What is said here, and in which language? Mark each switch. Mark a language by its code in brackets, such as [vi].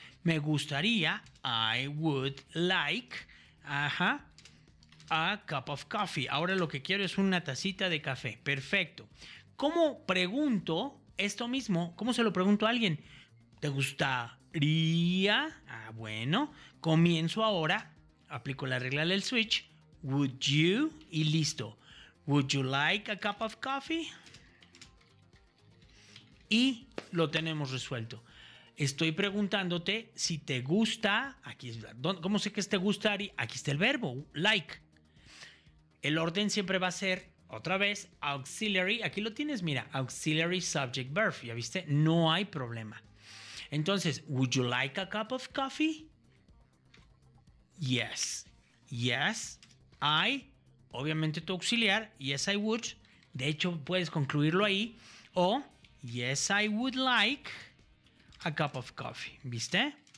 [es] Me gustaría, [en] I would like, a cup of coffee. [es] Ahora lo que quiero es una tacita de café. Perfecto. ¿Cómo pregunto esto mismo? ¿Cómo se lo pregunto a alguien? ¿Te gustaría? Ah, bueno. Comienzo ahora. Aplico la regla del switch. [en] Would you? [es] Y listo. [en] Would you like a cup of coffee? [es] Y lo tenemos resuelto. Estoy preguntándote si te gusta. Aquí, ¿cómo sé que es te gustaría? Aquí está el verbo, like. El orden siempre va a ser, otra vez, auxiliary. Aquí lo tienes, mira, auxiliary subject verb. ¿Ya viste? No hay problema. [en] Entonces, would you like a cup of coffee? Yes. Yes, I. [es] Obviamente tu auxiliar. [en] Yes, I would. [es] De hecho, puedes concluirlo ahí. [en] O, yes, I would like a cup of coffee. ¿Viste?